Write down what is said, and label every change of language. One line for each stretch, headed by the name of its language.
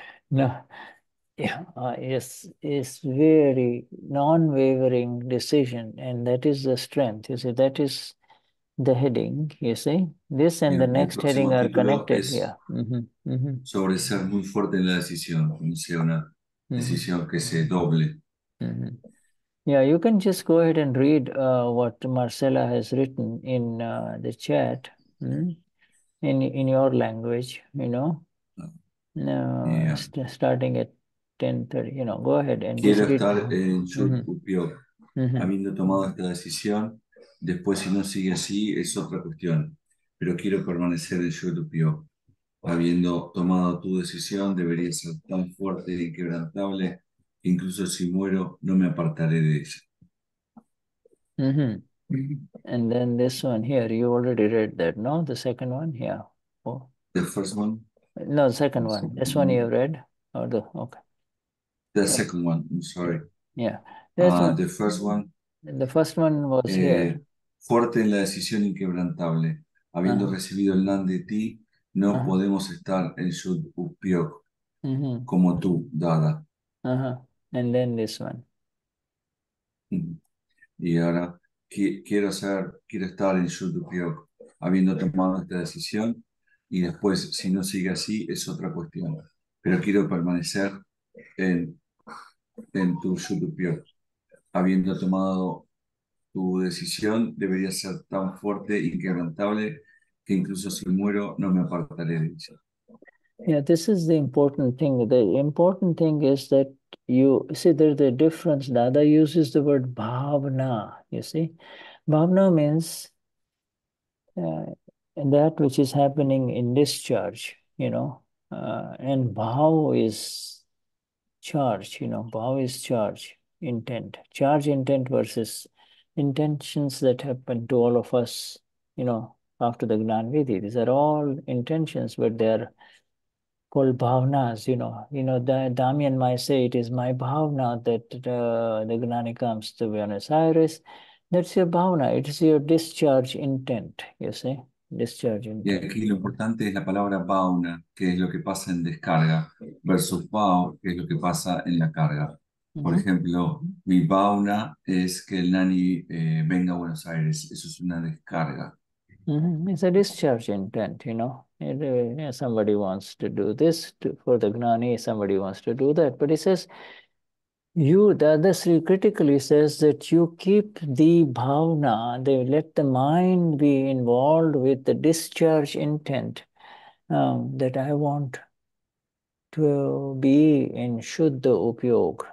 English: No, yeah, it's very non-wavering decision, and that is the strength, you see, that is the heading, you see. This and the next heading are connected here.
Spanish: Sobre ser muy fuerte en la decisión, funciona. Decisión que se doble.
English: Yeah, you can just go ahead and read what Marcella has written in the chat, in your language, you know. No, starting at 10:30. You know, go ahead and
Spanish: quiero estar en su propio, habiendo tomado esta decisión. Después, si no sigue así, es otra cuestión. Pero quiero permanecer en su propio. Habiendo tomado tu decisión, debería ser tan fuerte e inquebrantable que incluso si muero, no me apartaré de ella.
English: And then this one here, you already read that, no? The second one here. Oh. The first one? No, the second one. This one you read? Or the, okay. The second one, I'm sorry. Yeah. The first one. The first one was here.
Spanish: Fuerte en la decisión inquebrantable. Habiendo recibido el nan de ti, no podemos estar en Shud Upyok como tú, Dada.
English: And then this one.
Spanish: Y ahora, quiero estar en Shud Upyok, habiendo tomado esta decisión, y después, si no sigue así, es otra cuestión. Pero quiero permanecer en tu Shud Upyok. Habiendo tomado tu decisión, debería ser tan fuerte e inquebrantable que incluso si muero, no me apartaré de ella.
English: Yeah, this is the important thing. The important thing is that you see there's the difference. Dada uses the word bhavna, you see. Bhavna means that which is happening in discharge, you know. And bhav is charge, you know. Bhav is charge, intent. Charge, intent versus intentions that happen to all of us, you know, after the Gnanvidhi. These are all intentions, but they're called bhavanas, you know. You know, Damian might say, it is my bhavana that the Gnani comes to Buenos Aires. That's your bhavana. It is your discharge intent, you see. Discharge intent.
Spanish: Y aquí lo importante es la palabra bhavana, que es lo que pasa en descarga, versus bhav, que es lo que pasa en la carga. Por ejemplo, mi bhavana es que el Nani venga a Buenos Aires. Eso es una descarga.
English: It's a discharge intent, you know. Somebody wants to do this for the Gnani, somebody wants to do that. But he says, you, Dadashri critically says that you keep the bhavana, they let the mind be involved with the discharge intent that I want to be in Shuddha Upyog.